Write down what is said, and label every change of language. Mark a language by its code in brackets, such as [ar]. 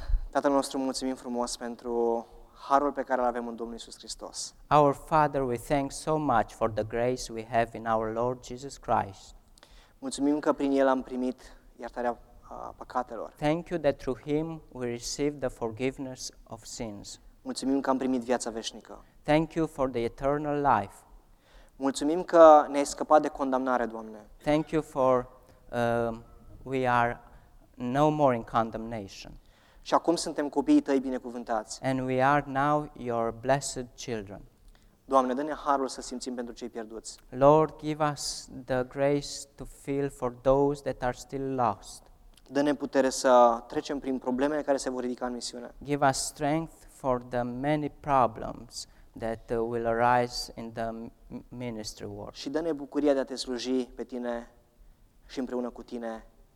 [ro] Tatăl nostru, mulțumim frumos pentru harul pe care îl avem în Domnul Iisus Hristos. [en] Our Father, we thank so much for the grace we have in our Lord Jesus Christ. [ro] Mulțumim că prin El am primit iertarea păcatelor. [en] Thank you that through Him we receive the forgiveness of sins. [ro] Mulțumim că am primit viața veșnică. [en] Thank you for the eternal life. [ro] Mulțumim că ne-ai scăpat de condamnare, Doamne. [en] Thank you for we are no more in condemnation. [ro] Și acum suntem copiii Tăi binecuvântați. [en] And we are now your blessed children. [ro] Doamne, dă-ne harul să simțim pentru cei pierduți. [en] Lord, give us the grace to feel for those that are still lost. [ro] Dă-ne putere să trecem prin problemele care se vor ridica în misiune. [en] Give us strength for the many problems that will arise in the ministry work. [ro] Și dă-ne bucuria de a Te sluji pe Tine și împreună cu Tine.